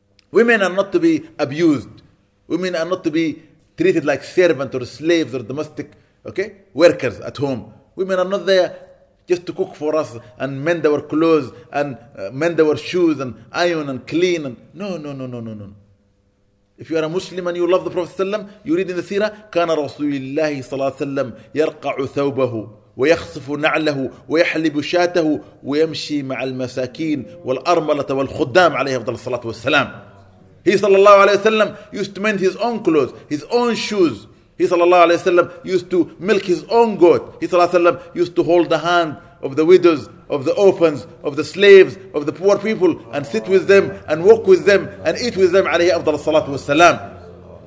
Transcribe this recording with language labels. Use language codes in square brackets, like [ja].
[en] Women are not to be abused. Women are not to be treated like servants or slaves or domestic, okay, workers at home. Women are not there just to cook for us and mend our clothes and mend our shoes and iron and clean. And No. If you are a Muslim and you love the Prophet ﷺ, you read in the seerah, [ar] كان رسول الله صلى الله عليه وسلم يرقع ثوبه ويخصف نعله ويحلب شاته ويمشي مع المساكين والأرملة والخدام عليه أفضل الصلاة والسلام. [en] He صلى الله عليه وسلم used to mend his own clothes, his own shoes. He صلى الله عليه وسلم used to milk his own goat. He صلى الله عليه وسلم used to hold the hand of the widows, of the orphans, of the slaves, of the poor people, and sit with them, and walk with them, and eat with them, alayhi afdal salatu wassalam.